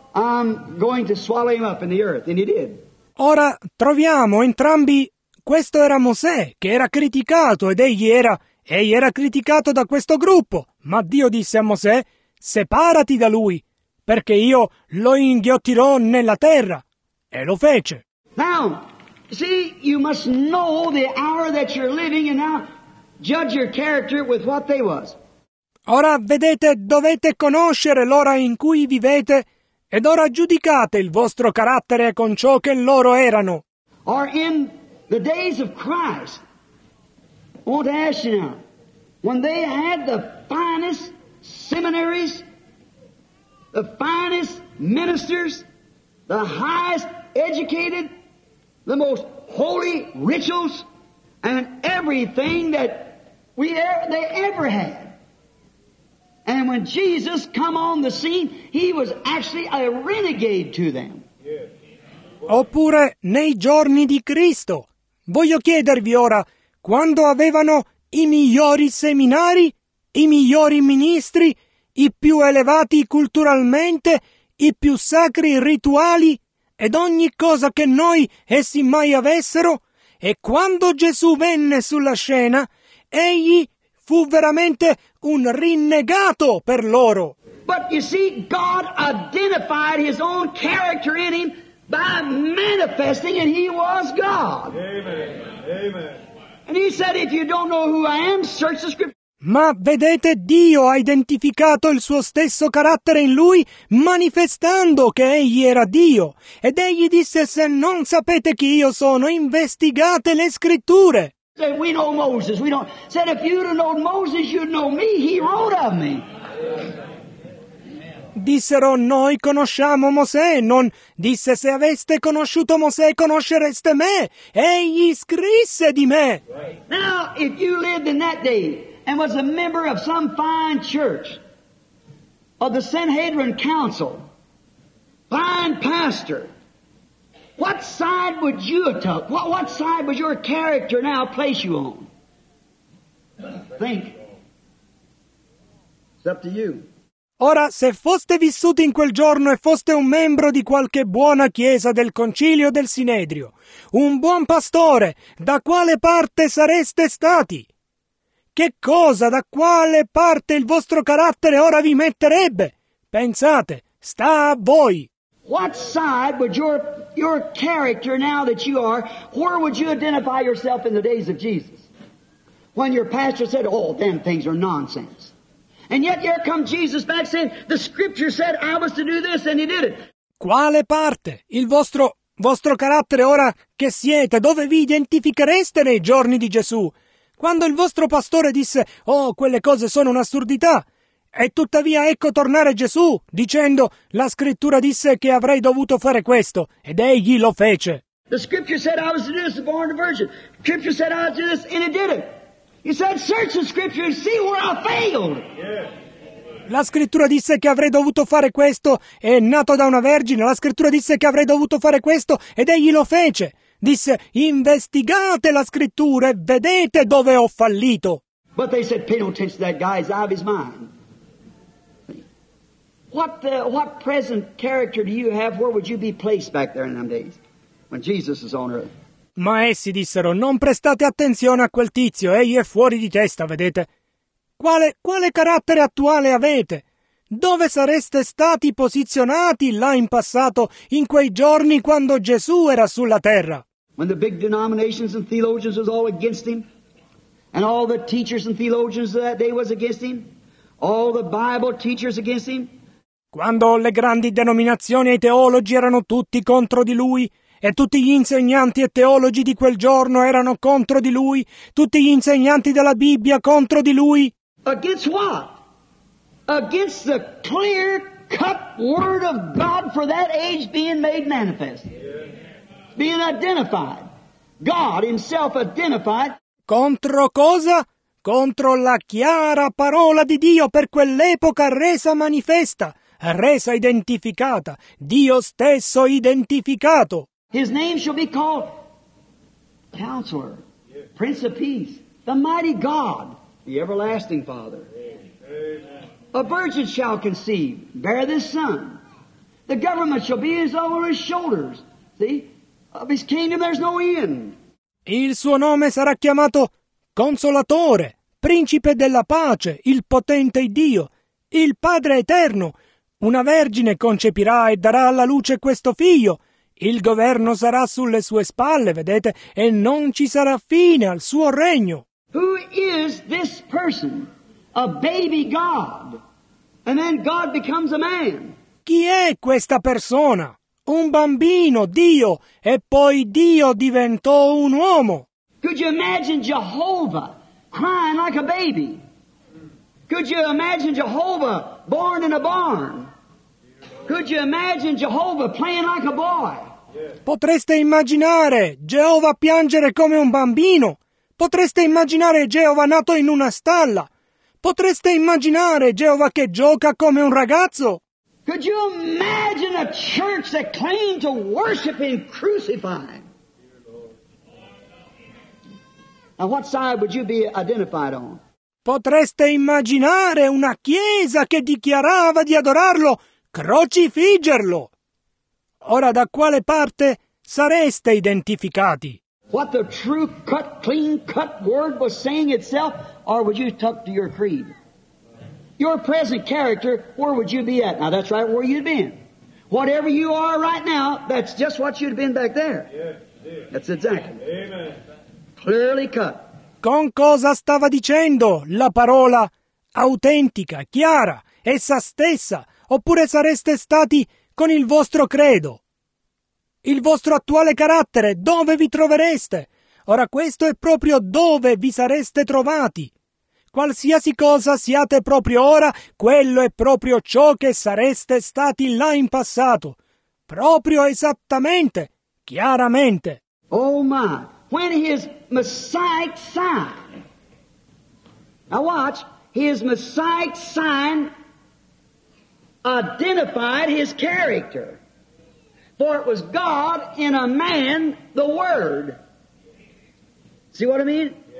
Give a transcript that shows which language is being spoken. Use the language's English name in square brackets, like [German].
[English] I'm going to swallow him up in the earth, and he did. [Italian] Ora troviamo entrambi. Questo era Mosè che era criticato ed egli era criticato da questo gruppo, ma Dio disse a Mosè: separati da lui, perché io lo inghiottirò nella terra, e lo fece. [English] Now, see, you must know the hour that you're living, and now judge your character with what they was. [Italian] Ora vedete, dovete conoscere l'ora in cui vivete, ed ora giudicate il vostro carattere con ciò che loro erano. [English] Or in the days of Christ, I want to ask you now, when they had the finest seminaries, the finest ministers, the highest educated, the most holy rituals, and everything that they ever had. And when Jesus come on the scene, he was actually a renegade to them. [Italian] Oppure nei giorni di Cristo. Voglio chiedervi ora, quando avevano i migliori seminari, i migliori ministri, i più elevati culturalmente, i più sacri rituali ed ogni cosa che noi essi mai avessero, e quando Gesù venne sulla scena, egli fu veramente un rinnegato per loro. [English] But you see, God identified his own character in him by manifesting that he was God. Amen. And he said, if you don't know who I am, search the scripture. [Italian] Ma vedete, Dio ha identificato il suo stesso carattere in lui manifestando che egli era Dio. Ed egli disse, se non sapete chi io sono, investigate le scritture. [English] We know Moses. We don't. Said if you'd have known Moses, you'd know me. He wrote of me. [Italian] Dissero, noi conosciamo Mosè. Non disse, se aveste conosciuto Mosè, conoscereste me. Egli scrisse di me. [English] Now, if you lived in that day and was a member of some fine church, of the Sanhedrin Council, fine pastor, what side would you have took? What side would your character now place you on? Think. It's up to you. [Italian] Ora, se foste vissuti in quel giorno e foste un membro di qualche buona chiesa del Concilio del Sinedrio, un buon pastore, da quale parte sareste stati? Che cosa, da quale parte il vostro carattere ora vi metterebbe? Pensate, sta a voi. [English] What side would your character now that you are, where would you identify yourself in the days of Jesus? When your pastor said, oh, them things are nonsense. And yet here come Jesus back saying, the scripture said I was to do this and he did it. [Italian] Quale parte? Il vostro carattere ora che siete, dove vi identifichereste nei giorni di Gesù? Quando il vostro pastore disse, oh, quelle cose sono un'assurdità. E tuttavia ecco tornare Gesù, dicendo, la scrittura disse che avrei dovuto fare questo, ed egli lo fece. [English] The scripture said I was to do this, born a virgin. The scripture said I was to do this, and it did it. He said, search the scripture and see where I failed. Yeah. [Italian] La scrittura disse che avrei dovuto fare questo, e nato da una vergine, la scrittura disse che avrei dovuto fare questo, ed egli lo fece. Disse, investigate la scrittura e vedete dove ho fallito. [English] But they said, pay no attention to that guy, he's out of his mind. What present character do you have? Where would you be placed back there in them days when Jesus is on earth? [Italian] Ma essi dissero, non prestate attenzione a quel tizio, egli è fuori di testa, vedete? Quale carattere attuale avete? Dove sareste stati posizionati là in passato, in quei giorni quando Gesù era sulla terra? [English] When the big denominations and theologians was all against him, and all the teachers and theologians of that day was against him, all the Bible teachers against him, [Italian] quando le grandi denominazioni e i teologi erano tutti contro di lui, e tutti gli insegnanti e teologi di quel giorno erano contro di lui, tutti gli insegnanti della Bibbia contro di lui. [English] Against what? Against the clear cut word of God for that age being made manifest. Being identified. God himself identified. [Italian] Contro cosa? Contro la chiara parola di Dio per quell'epoca resa manifesta. Resa identificata, Dio stesso identificato. [English] His name shall be called Counselor, Prince of Peace, the Mighty God, the Everlasting Father. Amen. A virgin shall conceive, bear this son, The government shall be as over his shoulders. See? Of his kingdom there's no end. [Italian] Il suo nome sarà chiamato Consolatore, Principe della Pace, il Potente Dio, il Padre Eterno. Una vergine concepirà e darà alla luce questo figlio. Il governo sarà sulle sue spalle, vedete, e non ci sarà fine al suo regno. [English] Who is this person? A baby God. And then God becomes a man. [Italian] Chi è questa persona? Un bambino, Dio, e poi Dio diventò un uomo. [English] Could you imagine Jehovah crying like a baby? Could you imagine Jehovah born in a barn? Could you imagine Jehovah playing like a boy? [Italian] Potreste immaginare Geova piangere come un bambino? Potreste immaginare Geova nato in una stalla? Potreste immaginare Geova che gioca come un ragazzo? [English] Could you imagine a church that claimed to worship and crucify? Now what side would you be identified on? [Italian] Potreste immaginare una chiesa che dichiarava di adorarlo, crocifiggerlo? Ora, da quale parte sareste identificati? [English] What the true cut, clean cut word was saying itself, or would you tuck to your creed? Your present character, where would you be at? Now that's right where you'd been. Whatever you are right now, that's just what you'd been back there. That's exactly. Amen. Clearly cut. [Italian] Con cosa stava dicendo la parola autentica, chiara, essa stessa? Oppure sareste stati con il vostro credo? Il vostro attuale carattere, dove vi trovereste? Ora questo è proprio dove vi sareste trovati. Qualsiasi cosa siate proprio ora, quello è proprio ciò che sareste stati là in passato. Proprio esattamente, chiaramente. [English] Oh my, when his Messiah sign. Now watch, his Messiah sign identified his character. For it was God in a man, the Word. See what I mean?